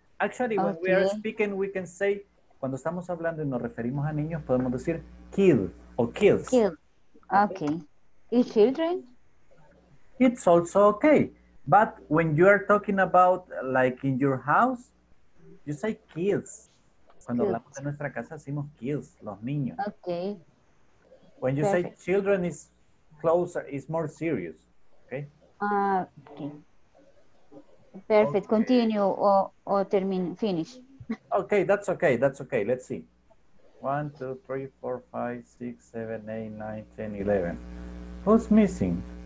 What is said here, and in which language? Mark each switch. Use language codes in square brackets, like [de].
[en] Actually, when we are speaking, we can say, [es] cuando estamos hablando y nos referimos a niños, podemos decir kid o kids. [en] Kid. Okay. Is children? It's also okay. But when you are talking about like in your house, you say kids. [es] Cuando kids. Hablamos de nuestra casa, decimos kids, los niños. [en] Okay. When you perfect. Say children is closer, is more serious. Okay. Okay. Perfect. Okay. Continue or [es] termine, [en] finish. Okay, that's okay. Let's see. 1, 2, 3, 4, 5, 6, 7, 8, 9, 10, 11. Who's missing?